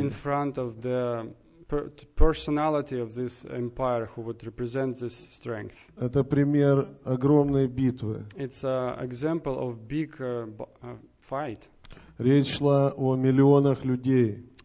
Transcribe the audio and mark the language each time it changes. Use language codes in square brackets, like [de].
[en] In front of the personality of this empire who would represent this strength. [ru] Это пример огромной битвы. [en] It's an example of big fight. [ru] Речь шла о миллионах людей.